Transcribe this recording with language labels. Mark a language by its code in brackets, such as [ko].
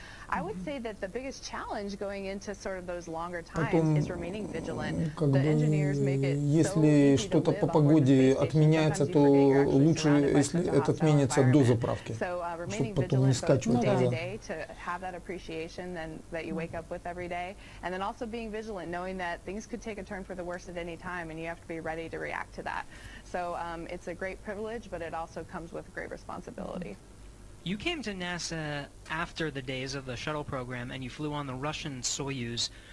[en] I would say that the biggest challenge going into sort of those longer times is remaining vigilant. The engineers make it so easy to live on board the space station. [ru] Если что-то по погоде отменяется, то лучше, если это отменится до заправки, чтобы потом не скачивать назад. [en] Day to have that appreciation then that you wake up with every day, and then also being vigilant, knowing that things could take a turn for the worse at any time, and you have to be ready to react to that. So it's a great privilege, but it also comes with great responsibility. You came to NASA after the days of the shuttle program, and you flew on the Russian Soyuz.